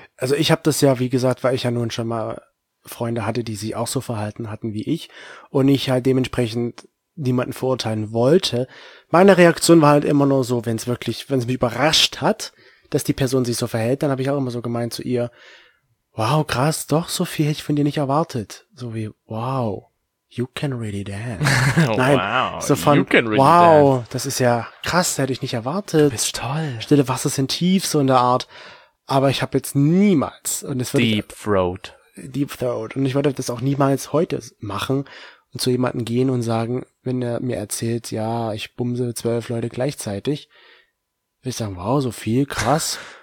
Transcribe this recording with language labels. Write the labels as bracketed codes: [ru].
[de] Also ich habe das ja, wie gesagt, weil ich ja nun schon mal Freunde hatte, die sich auch so verhalten hatten wie ich. Und ich halt dementsprechend niemanden verurteilen wollte. Meine Reaktion war halt immer nur so, wenn es mich überrascht hat, dass die Person sich so verhält, dann habe ich auch immer so gemeint zu ihr, wow, krass, doch, so viel hätte ich von dir nicht erwartet. So wie, [en] wow, you can really dance. [de] Nein, wow, so von, [en] you can really wow, dance. [de] Das ist ja krass, hätte ich nicht erwartet. Du bist toll. Stille Wasser sind tief, so in der Art. Aber ich habe jetzt niemals, und es wird [en] Deep Throat. [de] Und ich würde das auch niemals heute machen und zu jemandem gehen und sagen, wenn er mir erzählt, ja, ich bumse 12 Leute gleichzeitig, würde ich sagen, wow, so viel, krass.